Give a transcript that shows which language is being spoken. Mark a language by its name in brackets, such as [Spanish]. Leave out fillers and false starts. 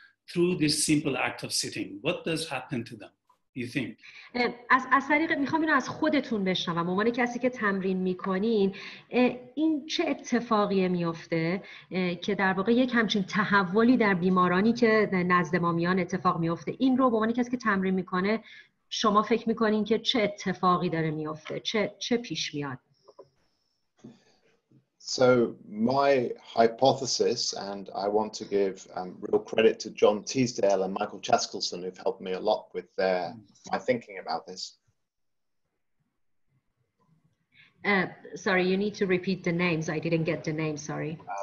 [English] through this simple act of sitting? What does happen to them, you think? [Persian] از طریق میخوام اینو از خودتون بشنوم. به عنوان کسی که تمرین میکنین این چه اتفاقی میفته که در واقع یک همچین تحولی در بیمارانی که نزد ما میان اتفاق میفته؟ این رو به عنوان کسی که تمرین میکنه شما فکر میکنین که چه اتفاقی داره میفته؟ چه پیش میاد؟ [English] So my hypothesis, and I want to give real credit to John Teasdale and Michael Chaskelson, who've helped me a lot with my thinking about this. Sorry, you need to repeat the names. I didn't get the name, sorry.